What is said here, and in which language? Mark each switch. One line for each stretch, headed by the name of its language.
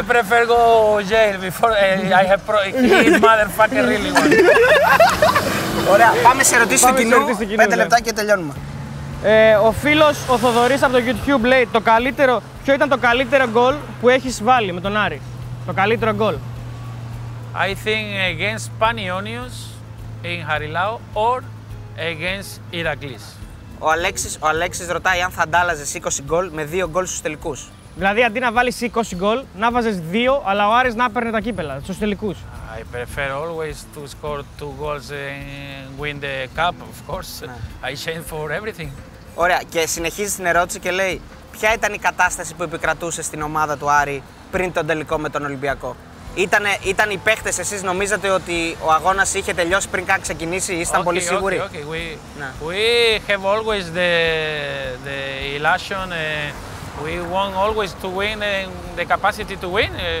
English: If I prefer go jail before I have pro... He's motherfucker really one.
Greek: Ωραία, πάμε σε ερωτήσεις του κοινού. 5 λεπτά και τελειώνουμε. Ο φίλος ο Θοδωρής από το YouTube λέει το καλύτερο, ποιο ήταν το καλύτερο goal που έχεις βάλει με τον Άρη. Το καλύτερο goal.
English: I think against Panionios in Harilao or against Ηρακλής.
Greek: Ο Αλέξης ρωτάει αν θα αντάλλαζες 20 γκολ με 2 γκολ στους τελικούς. Δηλαδή αντί να βάλεις 20 γκολ, να βάζεις 2, αλλά ο Άρης να παίρνει τα κύπελα στους τελικούς.
English: I prefer always to score 2 goals and win the cup, of course. I change for everything.
Greek: Ωραία, και συνεχίζει την ερώτηση και λέει: ποια ήταν η κατάσταση που επικρατούσε στην ομάδα του Άρη πριν τον τελικό με τον Ολυμπιακό? Ήταν οι παίχτες, εσείς νομίζατε ότι ο αγώνας είχε τελειώσει πριν καν ξεκινήσει, ήσταν πολύ σίγουροι?
English: We have always the elation, we want always to win and the capacity to win.